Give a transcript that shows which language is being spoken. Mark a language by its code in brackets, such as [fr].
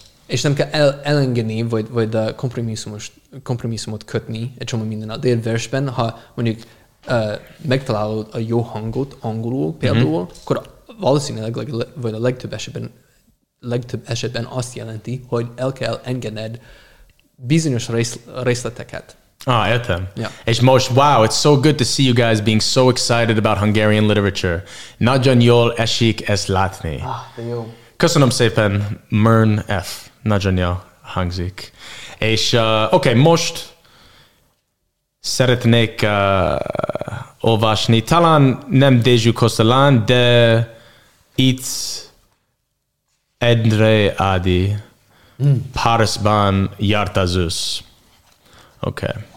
[hu] és nem kell elengedni, vagy a kompromisszumot kötni egy csomó minden de egy versben, ha mondjuk megtalálod a jó hangot angolul például, mm-hmm. akkor valószínűleg, vagy a legtöbb esetben azt jelenti, hogy el kell engedned bizonyos részleteket. Ah, értem. [en] Yeah. [hu] És most, [en] wow, it's so good to see you guys being so excited about Hungarian literature. [hu] Nagyon jól esik ezt látni. Ah, de jó. Köszönöm szépen, Mern F. Nagyon jó hangzik. És, okay, most szeretnék olvasni. Talán nem Dezsú Kosolán, de itt Endre Adi Parisban jártazus. Okay.